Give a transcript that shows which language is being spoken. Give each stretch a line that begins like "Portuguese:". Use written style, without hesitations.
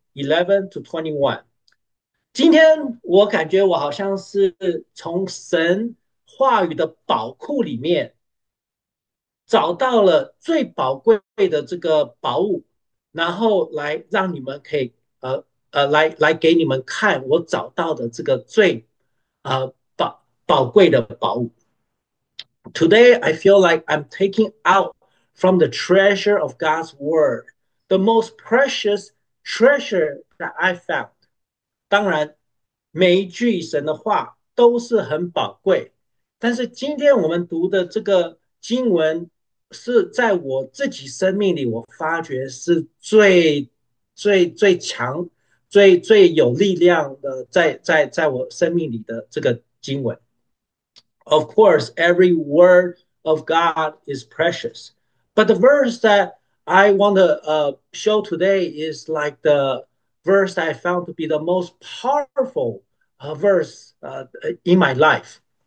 Chinese: 11 to 21，今天我感觉我好像是从神话语的宝库里面找到了最宝贵的这个宝物，然后来让你们可以来给你们看我找到的这个最宝贵的宝物。
English: Today I feel like I'm taking out from the treasure of God's word, the most precious treasure that I found。
Chinese: 当然，每一句神的话都是很宝贵。但是今天我们读的这个经文，是在我自己生命里，我发觉是最强、最有力量的在我生命里的这个经文。
English: Of course, every word of God is precious, but the verse that I want to show today is like the verse I found to be the most powerful verse in my life。